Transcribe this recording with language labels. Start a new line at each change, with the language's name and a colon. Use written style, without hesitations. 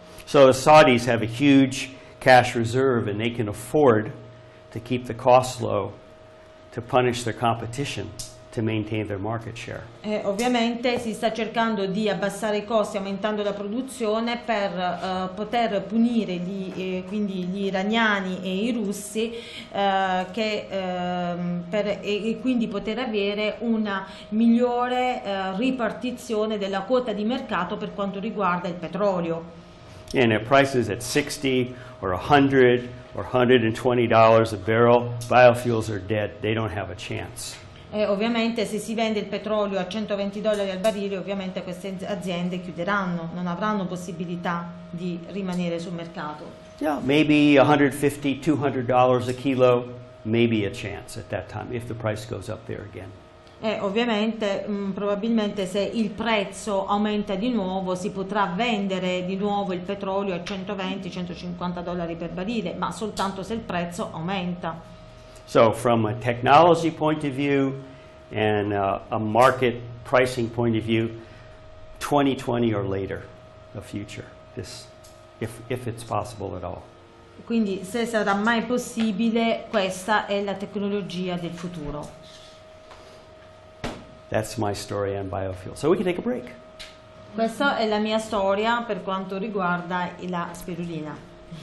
English: So the Saudis have a huge cash reserve and they can afford to keep the cost low to punish their competition to maintain their market share.
Italian: Ovviamente si sta cercando di abbassare i costi aumentando la produzione per poter punire quindi gli iraniani e i russi e quindi poter avere una migliore ripartizione della quota di mercato per quanto riguarda il petrolio.
English: And if prices at $60 or $100 or $120 a barrel, biofuels are dead. They don't have a chance.
Italian: E ovviamente se si vende il petrolio a $120 al barile, ovviamente queste aziende chiuderanno, non avranno possibilità di rimanere sul mercato.
English: Yeah, maybe $150, $200 a kilo, maybe a chance at that time if the price goes up there again.
Italian: E ovviamente probabilmente se il prezzo aumenta di nuovo si potrà vendere di nuovo il petrolio a $120-$150 per barile, ma soltanto se il prezzo aumenta.
English: So from a technology point of view and a market pricing point of view, 2020 or later, the future, this, if it's possible at all.
Italian: Quindi se sarà mai possibile, questa è la tecnologia del futuro.
English: That's my story on biofuel. So we can take a break.
Italian: Questa è la mia storia per quanto riguarda la spirulina.